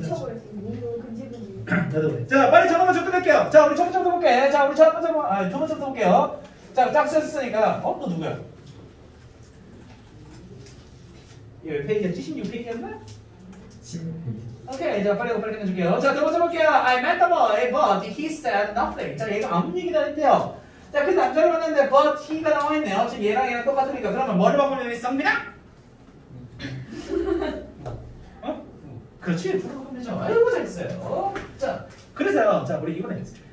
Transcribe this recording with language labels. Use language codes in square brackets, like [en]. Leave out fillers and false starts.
[ko] 미쳐버렸어. 나도 그래. 자, 빨리 전화만 좀 끊을게요. 자, 우리 첫 번째부터 볼게. 자, 우리 첫 번째부터, 아, 두 번째부터 볼게요. 자, 딱 썼으니까. 어? 너 누구야? 이거 페이지가 76페이지였나? 76페이지. 오케이, 자, 빨리 이거 빨리 끊어줄게요. 자, 두 번째 볼게요. [en] I met the boy, but he said nothing. [ko] 자, 얘가 아무 얘기도 안 했대요. 자, 그 남자를 봤는데 but he가 나와있네요. 지금 얘랑 얘랑 똑같으니까. 그러면 뭐를 바꾸면 있습니까? 그렇지, 불러보면 되죠. 아이고, 잘했어요. 자, 그래서요. 자, 우리 이번에 했어요.